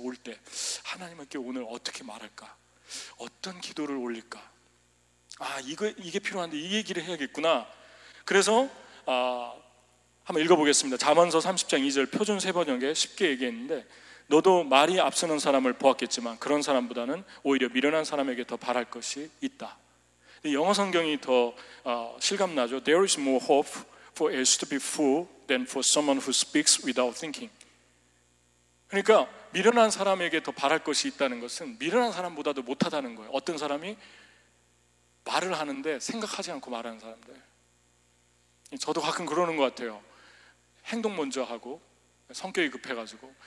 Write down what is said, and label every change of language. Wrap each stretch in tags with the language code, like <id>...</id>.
<ko>올 때 하나님께 오늘 어떻게 말할까, 어떤 기도를 올릴까, 이게 필요한데 이 얘기를 해야겠구나. 그래서 한번 읽어보겠습니다. 잠언서 30장 2절 표준 세번역에 쉽게 얘기했는데, 너도 말이 앞서는 사람을 보았겠지만 그런 사람보다는 오히려 미련한 사람에게 더 바랄 것이 있다. 영어 성경이 더 실감나죠.</ko> <en>There is more hope for a stupid fool than for someone who speaks without thinking.</en> <ko>그러니까 미련한 사람에게 더 바랄 것이 있다는 것은 미련한 사람보다도 못하다는 거예요. 어떤 사람이 말을 하는데 생각하지 않고 말하는 사람들. 저도 가끔 그러는 것 같아요. 행동 먼저 하고 성격이 급해가지고.</ko>